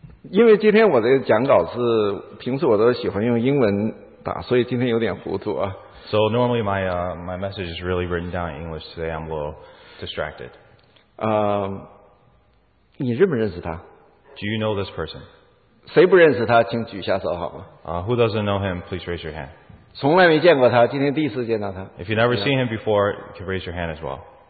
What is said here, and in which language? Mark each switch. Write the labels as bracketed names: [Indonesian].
[Chinese] 因为今天我的讲稿是平时我都喜欢用英文打，所以今天有点糊涂啊。 [English] So normally my message is really written down in English. Today I'm a little distracted. [Chinese] 你认不认识他 [English] ？Do you know this person? [Chinese] 谁不认识他，请举下手好吗 [English] ？Who doesn't know him? Please raise your hand. [Chinese] 从来没见过他，今天第一次见到他。 [English] If you've never seen him before, you can raise your hand as well.